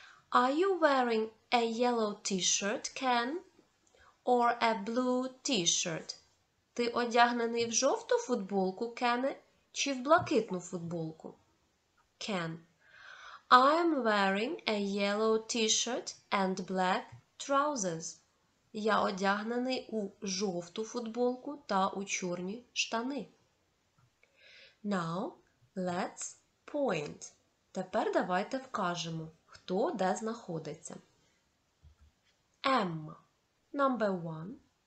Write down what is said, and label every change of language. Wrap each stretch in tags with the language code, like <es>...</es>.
<en>Are you wearing a yellow t-shirt, Ken? Or a blue t-shirt?</en> <uk>Ти одягнений в жовту футболку, Кене, чи в блакитну футболку?</uk> <en>Ken. I'm wearing a yellow t-shirt and black trousers.</en> <uk>Я одягнений у жовту футболку та у чорні штани.</uk> <en>Now, let's point.</en> <uk>Тепер давайте вкажемо, хто де знаходиться.</uk> <en>Emma, number one.</en>